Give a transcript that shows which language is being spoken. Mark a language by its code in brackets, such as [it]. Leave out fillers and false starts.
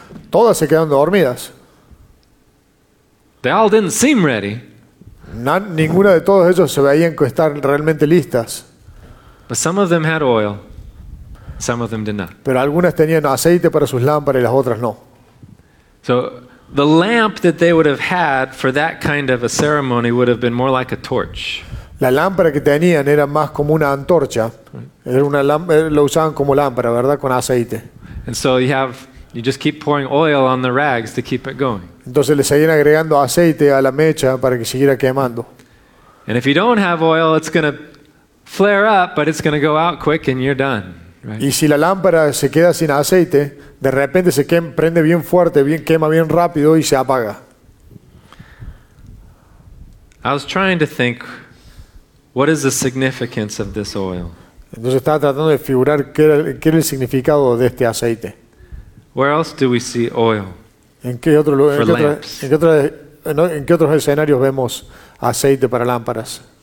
[es] Todas se quedaron dormidas. [en] They all didn't seem ready. [es] Ninguna de todos ellos se veían que estar realmente listas. [en] But some of them had oil. Some of them did not. [es] Pero algunas tenían aceite para sus lámparas y las otras no. [en] So the lamp that they would have had for that kind of a ceremony would have been more like a torch. [es] La lámpara que tenían era más como una antorcha. Era una lámpara, lo usaban como lámpara, ¿verdad? Con aceite. [en] And so you just keep pouring oil on the rags to keep it going. [es] Entonces le seguían agregando aceite a la mecha para que siguiera quemando. [en] And if you don't have oil, it's going to flare up, but it's going to go out quick and you're done. [es] Y si la lámpara se queda sin aceite, de repente se prende bien fuerte, bien quema bien rápido y se apaga. [en] I was trying to think, what is the significance of this oil? [es] Entonces estaba tratando de figurar qué era el significado de este aceite. [en] Where else do we see oil? [es] ¿En qué otros escenarios vemos aceite para lámparas?